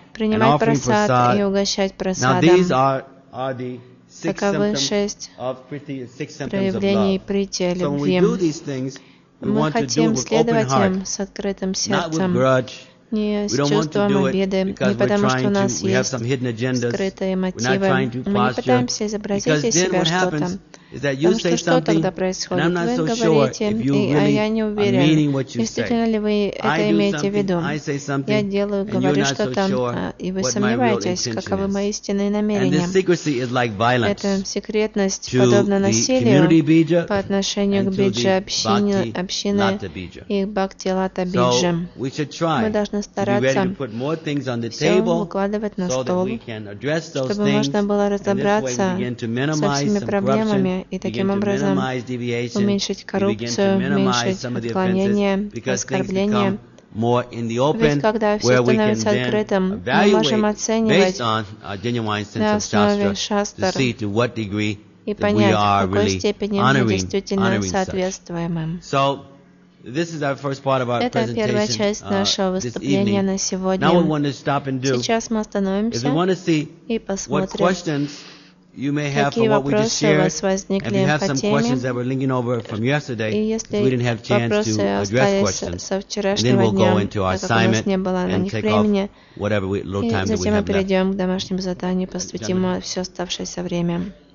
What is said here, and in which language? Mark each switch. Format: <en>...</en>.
<ru>Принимать просад и угощать просадом. Таковы шесть проявлений прити любви. Мы хотим следовать им с открытым сердцем. Не с чувством обиды, не потому что у нас есть скрытые мотивы. Мы не пытаемся изобразить из себя что-то.</ru> <en>is that you say something, and I'm not so sure if you really are meaning what you say. I say something, and you're not so sure what my real intention is. And this secrecy is like violence to the community bija and to the bhakti lata bija. So we should try to be ready to put more things on the table so that we can address those things, and this way we begin to minimize some corruption,</en> <ru>и таким образом уменьшить коррупцию, уменьшить отклонение, оскорбление. Ведь когда все становится открытым, мы можем оценивать на основе шастр и понять, в какой степени мы действительно соответствуем им.</ru> <en>This is our first part of our presentation this evening. Now we want to stop and do.</en> <ru>Сейчас мы остановимся.</ru> <en>If we want to see what questions you may have for what we just shared, and if you have some questions that were linking over from yesterday, we didn't have a chance to address questions, and then we'll go into our assignment and take off whatever little time that we have left.</en> <ru>Затем мы перейдем к домашним заданиям, посвятим все оставшееся время.</ru>